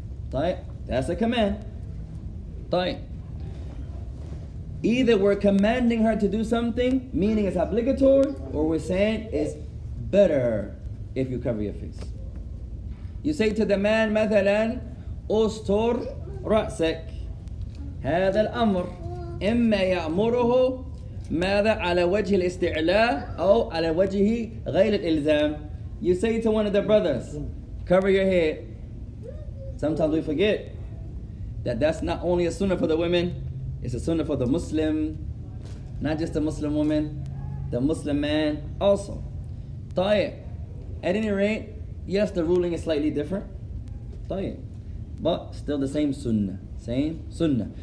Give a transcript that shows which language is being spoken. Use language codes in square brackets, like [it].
[ar] طيب. [en] That's a command. طيب. Either we're commanding her to do something, meaning it's obligatory, or we're saying it's better if you cover your face. You say to the man, [ar] مثلا, أستر رأسك. هذا الأمر. إما يأمره ماذا على وجه الاستعلاء أو على وجهه غير الإلزام. [en] You say to one of the brothers, cover your head. Sometimes we forget that that's not only a sunnah for the women, it's a sunnah for the Muslim, not just the Muslim woman, the Muslim man also. [ar] طيب. [en] At any rate, yes, the ruling is slightly different. [ar] طيب. [en] But still the same sunnah. Same sunnah.